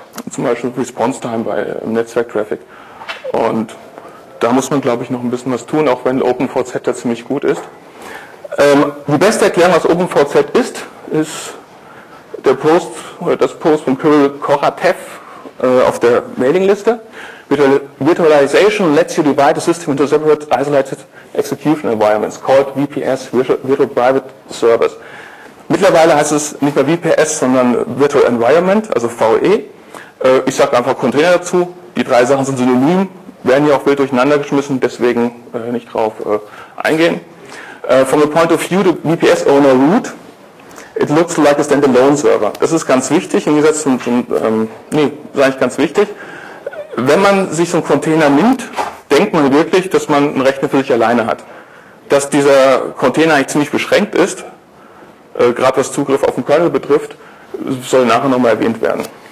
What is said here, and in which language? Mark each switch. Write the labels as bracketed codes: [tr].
[de] Zum Beispiel Response Time bei Netzwerktraffic. Und da muss man, glaube ich, noch ein bisschen was tun, auch wenn OpenVZ da ziemlich gut ist. Die beste Erklärung, was OpenVZ ist, ist der Post oder das Post von Kirill Koratev auf der Mailingliste. [en] Virtualization lets you divide the system into separate isolated execution environments, called VPS, Virtual Private Service. [de] Mittlerweile heißt es nicht mehr VPS, sondern Virtual Environment, also VE. Ich sage einfach Container dazu. Die drei Sachen sind synonym, werden ja auch wild durcheinander geschmissen, deswegen nicht drauf eingehen. [en] From the point of view, the VPS owner root, it looks like a standalone server. [de] Das ist ganz wichtig, im Gegensatz zum, sage ich ganz wichtig. Wenn man sich so einen Container nimmt, denkt man wirklich, dass man einen Rechner für sich alleine hat. Dass dieser Container eigentlich ziemlich beschränkt ist, gerade was Zugriff auf den Kernel betrifft, soll nachher nochmal erwähnt werden.